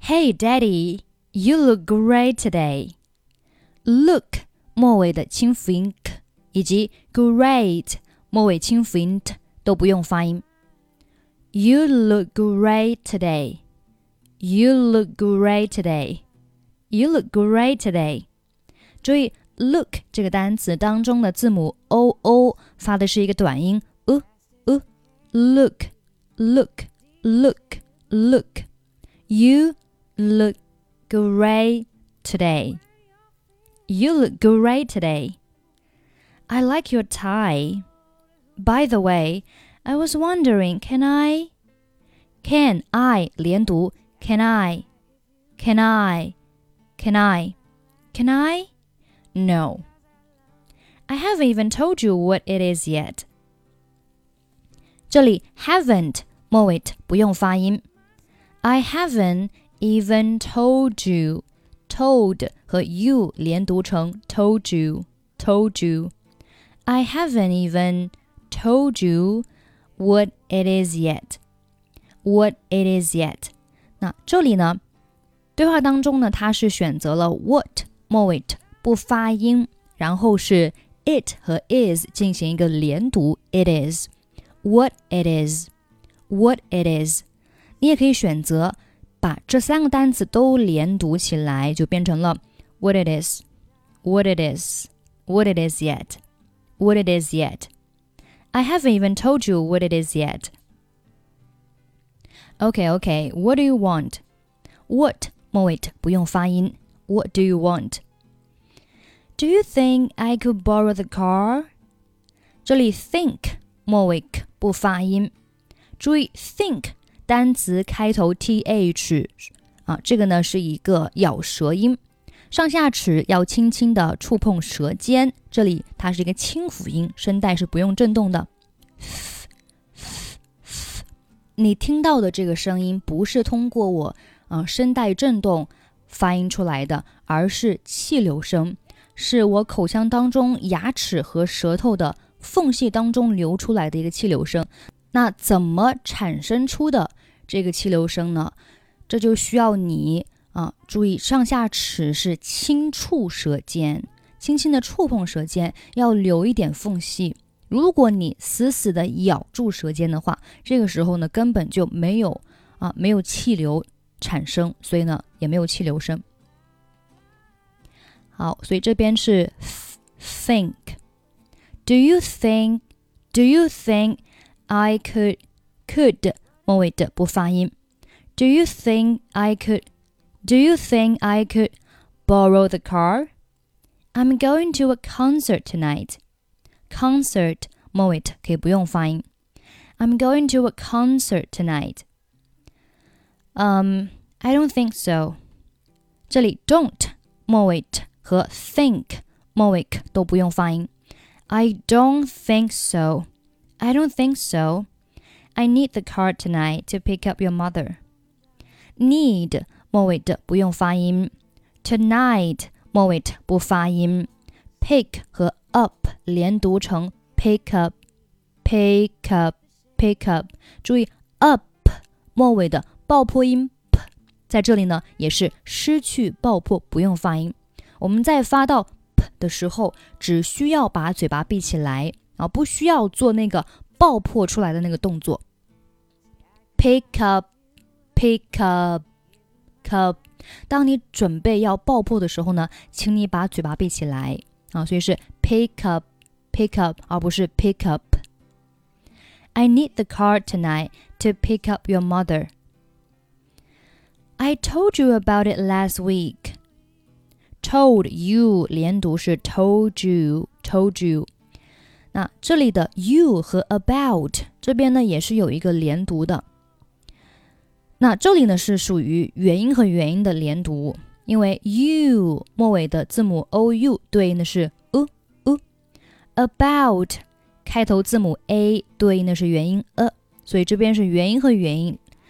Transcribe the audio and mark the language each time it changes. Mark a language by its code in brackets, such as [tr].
[en] Hey, Daddy, you look great today. [zh] Look, 末尾的清辅音 k, 以及 great, 末尾清辅音 t, 都不用发音。 [en] You look great today. You look great today. You look great today. [zh] 注意 look 这个单词当中的字母 oo 发的是一个短音 u u. [en] Look, look, look, look. You look great today. You look great today. I like your tie. By the way. I was wondering, can I? Can I? 连读 Can I? Can I? Can I? Can I? No. I haven't even told you what it is yet. [zh] 这里 haven't, 末尾 t, 不用发音。 [en] I haven't even told you. Told 和 you 连读成 told you, told you. I haven't even told you. What it is yet, what it is yet. [zh] 那这里呢，对话当中呢，它是选择了 what, 末尾 t, 不发音，然后是 it 和 is 进行一个连读 it is, what it is, what it is. 你也可以选择把这三个单词都连读起来，就变成了 what it is, what it is, [en] what it is yet, what it is yet. I haven't even told you what it is yet. Okay, okay, what do you want? [zh] What, 末尾 t, 不用发音。 [en] What do you want? Do you think I could borrow the car? [zh] 这里 think, 末尾 k, 不发音。注意 think, 单词开头 th,、啊、这个呢是一个咬舌音。上下齿要轻轻地触碰舌尖，这里它是一个轻辅音，声带是不用震动的。你听到的这个声音不是通过我、声带震动发音出来的，而是气流声，是我口腔当中牙齿和舌头的缝隙当中流出来的一个气流声。那怎么产生出的这个气流声呢？这就需要你注意上下齿是轻触舌尖，轻轻的触碰舌尖，要留一点缝隙。如果你死死的咬住舌尖的话，这个时候呢根本就没有没有气流产生，所以呢也没有气流声。好，所以这边是 think. [en] Do you think, do you think I could, [zh] 末尾的不发音。 [en] Do you think I could,Do you think I could borrow the car? I'm going to a concert tonight. [zh] Concert, 末尾 t, 可以不用发音。 [en] I'm going to a concert tonight. I don't think so. [zh] 这里 don't, 末尾 t, 和 think, 末尾 k, 都不用发音。 [en] I don't think so. I don't think so. I need the car tonight to pick up your mother. [zh] Need,末尾的不用发音 tonight 末尾的不发音 pick 和 up 连读成 pick up pick up pick up 注意 up 末尾的爆破音 p 在这里呢也是失去爆破不用发音我们在发到 p 的时候只需要把嘴巴闭起来不需要做那个爆破出来的那个动作 pick up pick upCup. 当你准备要爆破的时候呢请你把嘴巴闭起来、所以是 pick up, pick up, 而不是 pick up. [en] I need the car tonight to pick up your mother. I told you about it last week. Told you, [zh] 连读是 [en] told you, told you. [zh] 那这里的 you 和 about, 这边呢也是有一个连读的。那这里呢是属于元音和元音的连读，因为 you 末尾的字母 ou 对应的是 u u， about 开头字母 a 对应的是元音 a， 所以这边是元音和元音。